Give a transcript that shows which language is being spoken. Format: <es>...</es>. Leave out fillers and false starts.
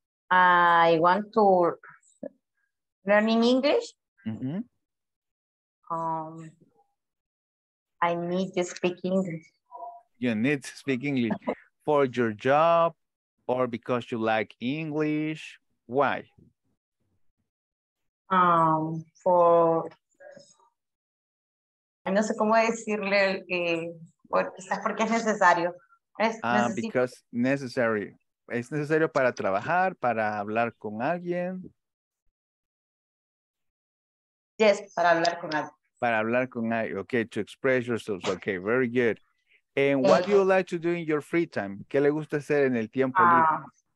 <en>I want to learn in English. Mm-hmm. I need to speak English. You need to speak English for your job or because you like English? Why?</en> <es>No sé cómo decirle, quizás porque es necesario.</es> <en>Because necessary.</en> <es>Es necesario para trabajar, para hablar con alguien. Yes, para hablar con alguien. Para hablar con alguien.</es> <en>Okay, to express yourself. Okay, very good. And what do you like to do in your free time?</en> <es>¿Qué le gusta hacer en el tiempo libre?</es>